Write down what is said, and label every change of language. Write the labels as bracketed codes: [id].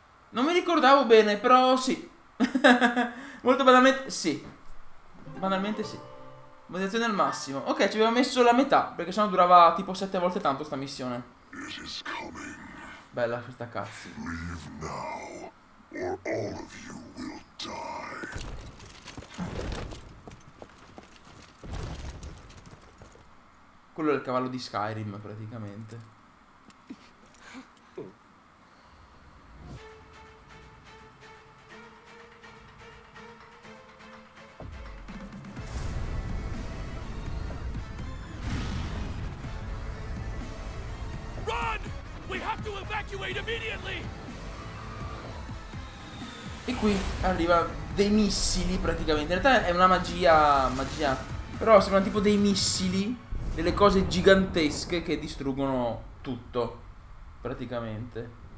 [it] Non mi ricordavo bene, però sì. Molto banalmente, sì. Banalmente sì. Modificazione al massimo. Ok, ci abbiamo messo la metà, perché sennò durava tipo 7 volte tanto sta missione. Bella questa cazzo. [en] Leave now, or all of you will die. [it] Quello è il cavallo di Skyrim, praticamente. [en] Run! We have to evacuate immediately! [it] E qui arriva dei missili, praticamente. In realtà è una magia. Però sembrano tipo dei missili. Delle cose gigantesche che distruggono tutto, praticamente.